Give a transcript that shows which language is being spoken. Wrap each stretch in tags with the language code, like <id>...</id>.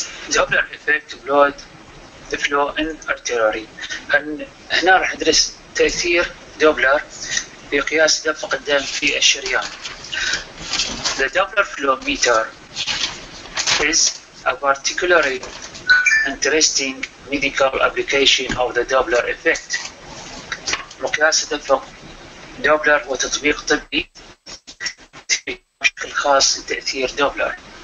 <en>Doppler effect blood flow in artillery.</en> <ar>هنا راح ندرس تأثير دوبلر بقياس دفق الدم في الشريان.</ar> <en>The Doppler flow meter is a particularly interesting medical application of the Doppler effect.</en> <ar>مقياس دفق دوبلر وتطبيق طبي بشكل خاص لتأثير دوبلر.</ar>